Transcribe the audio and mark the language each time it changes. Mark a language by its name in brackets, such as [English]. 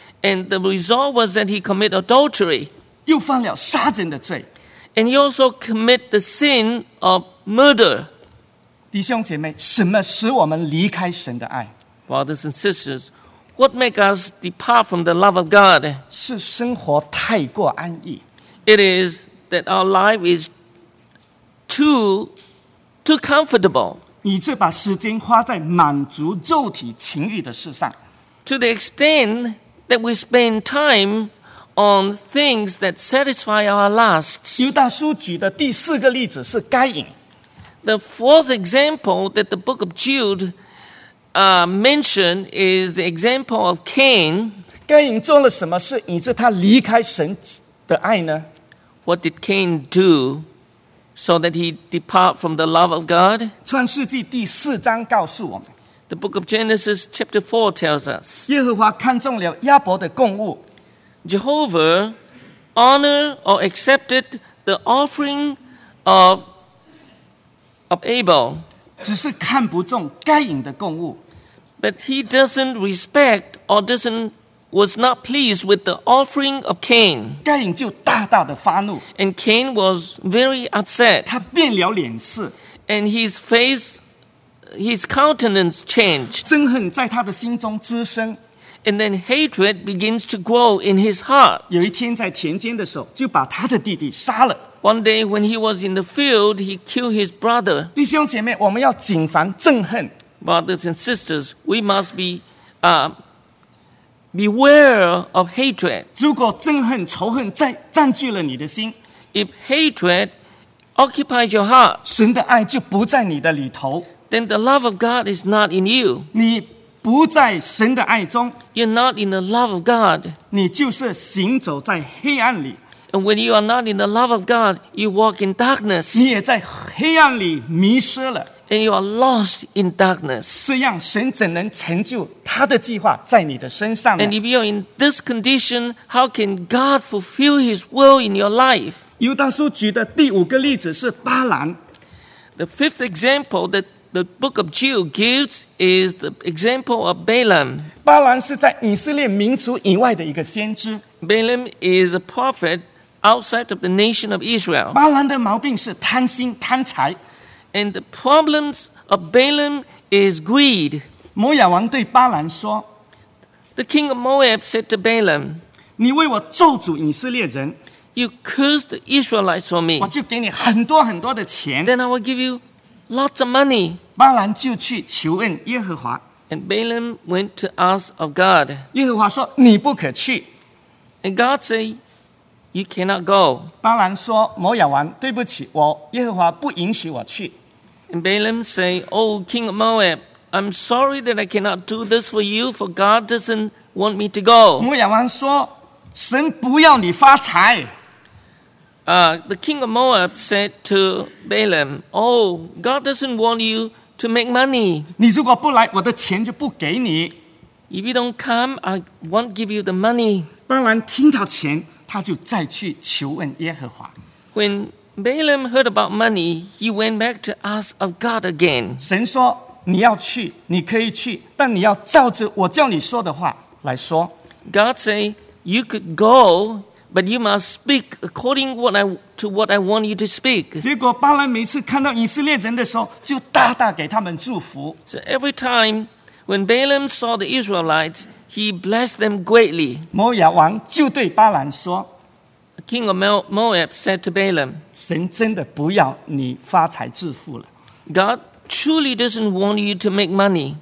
[English] And the result was that he committed adultery. [Chinese] 又犯了杀人的罪。 [English] And he also committed the sin of murder. [Chinese] 弟兄姐妹，什么使我们离开神的爱？ [English] Brothers and sisters, what makes us depart from the love of God? [Chinese] 是生活太过安逸。 [English] It is that our life is too comfortable. [Chinese] 你只把时间花在满足肉体情欲的事上。 [English] To the extent... That we spend time on things that satisfy our lusts. [Chinese] 犹大书举的第四个例子是该隐。 [English] The fourth example that the book of Jude mentioned is the example of Cain. [Chinese] 该隐做了什么事以致他离开神的爱呢？ [English] What did Cain do so that he depart from the love of God? [Chinese] 创世纪第四章告诉我们。 [English] The book of Genesis chapter 4 tells us, [Chinese] 耶和华看中了亚伯的供物。 [English] Jehovah honored or accepted the offering of Abel, [Chinese] 只是看不中该隐的供物。 [English] But he doesn't respect or was not pleased with the offering of Cain. [Chinese] 该隐就大大的发怒。 [English] And Cain was very upset. [Chinese] 他变了脸色。 [English] And his face... His countenance changed. [Chinese] 憎恨在他的心中滋生。 [English] And then hatred begins to grow in his heart. [Chinese] 有一天在田间的时候就把他的弟弟杀了。 [English] One day when he was in the field, he killed his brother. [Chinese] 弟兄姐妹，我们要谨防憎恨。 [English] Brothers and sisters, we must be, beware of hatred. [Chinese] 如果憎恨、仇恨占据了你的心， [English] If hatred occupies your heart, [Chinese] 神的爱就不在你的里头。 [English] Then the love of God is not in you. [Chinese] 你不在神的爱中。 [English] You're not in the love of God. [Chinese] 你就是行走在黑暗里。 [English] And when you are not in the love of God, you walk in darkness. [Chinese] 你也在黑暗里迷失了。 [English] And you are lost in darkness. [Chinese] 这样神怎能成就他的计划在你的身上呢？ [English] And if you're in this condition, how can God fulfill His will in your life? [Chinese] 犹大书举的第五个例子是巴兰。 [English] The fifth example that The book of Jude gives is the example of Balaam. [Chinese] 巴兰是在以色列民族以外的一个先知。 [English] Balaam is a prophet outside of the nation of Israel. [Chinese] 巴兰的毛病是贪心贪财。 [English] And the problems of Balaam is greed. [Chinese] 摩亚王对巴兰说 [English] The king of Moab said to Balaam, [Chinese] 你为我咒诅以色列人。 [English] You curse the Israelites for me. [Chinese] 我就给你很多很多的钱。 [English] Then I will give you. Lots of money. [Chinese] 巴兰就去求问耶和华。 [English] And Balaam went to ask of God. [Chinese] 耶和华说，你不可去。 [English] And God said, you cannot go. [Chinese] 巴兰说，摩亚王，对不起，我耶和华不允许我去。 [English] And Balaam said, oh, king of Moab, I'm sorry that I cannot do this for you, for God doesn't want me to go. [Chinese] 摩押王说，神不要你发财。 [English] The king of Moab said to Balaam, Oh, God doesn't want you to make money. [Chinese] 你如果不来，我的钱就不给你。 [English] If you don't come, I won't give you the money. [Chinese] 巴兰听到钱，他就再去求问耶和华。 [English] When Balaam heard about money, he went back to ask of God again. [Chinese] 神说，你要去，你可以去，但你要照着我叫你说的话来说。 [English] God said, you could go, but you must speak according to what I want you to speak. [Chinese] 结果巴兰每次看到以色列人的时候，就大大给他们祝福。 [English] So every time,When Balaam saw the Israelites, he blessed them greatly. [Chinese] 摩押王就对巴兰说 [English] The king of Moab said to Balaam, [Chinese] 神真的不要你发财致富了。 [English] God truly doesn't want you to make money.